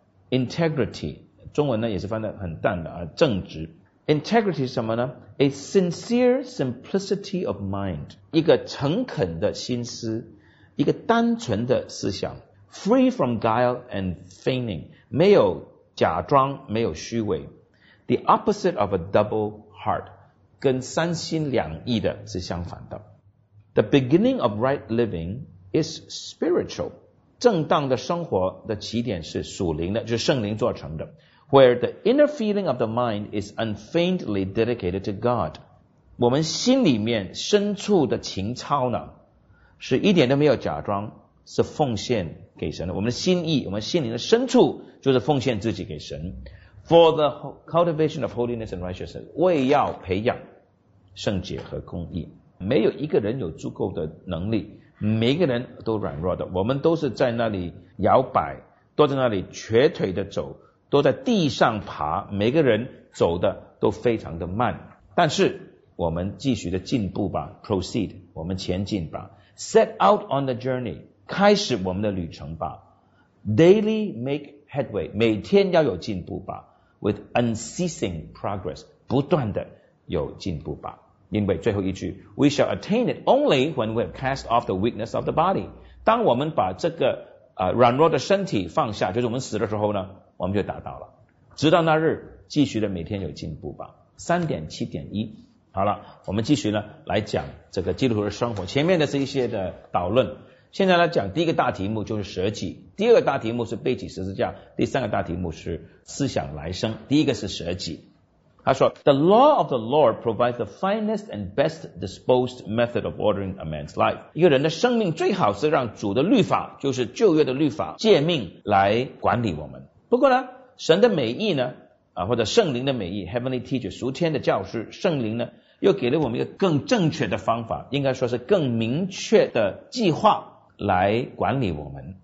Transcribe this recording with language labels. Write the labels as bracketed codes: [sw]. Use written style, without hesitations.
[zh] Integrity， 中文呢也是翻得很淡的正直。 Integrity 是什么呢？ A sincere simplicity of mind，一个诚恳的心思，一个单纯的思想， free from guile and feigning，没有假装，没有虚伪。 [en] The opposite of a double heart，跟三心两意的是相反的。 [zh] The beginning of right living is spiritual，正当的生活的起点是属灵的，就是圣灵做成的。 Where the inner feeling of the mind is unfeignedly dedicated to God，我们心里面深处的情操呢，是一点都没有假装，是奉献给神的。我们的心意，我们心灵的深处，就是奉献自己给神。 [en] For the cultivation of holiness and righteousness，为要培养圣洁和公义。 [zh] 没有一个人有足够的能力，每个人都软弱的，我们都是在那里摇摆，都在那里瘸腿的走，都在地上爬，每个人走的都非常的慢。但是我们继续的进步吧， proceed，我们前进吧， set out on the journey，开始我们的旅程吧， daily make headway，每天要有进步吧， with unceasing progress，不断的有进步吧。 [en] 因为最后一句， we shall attain it only when we have cast off the weakness of the body，当我们把这个软弱的身体放下，就是我们死的时候呢，我们就达到了。 [zh] 直到那日继续的每天有进步吧。3.7.1 好了，我们继续呢来讲这个基督徒的生活。前面的是一些的导论，现在来讲第一个大题目就是舍己，第二个大题目是背起十字架，第三个大题目是思想来生。第一个是舍己， [en] 他说 The law of the Lord provides the finest and best disposed method of ordering a man's life. [zh] 一个人的生命最好是让主的律法，就是旧约的律法，诫命来管理我们。不过呢，神的美意呢，或者圣灵的美意 Heavenly Teacher, 属天的教师，圣灵呢，又给了我们一个更正确的方法，应该说是更明确的计划来管理我们。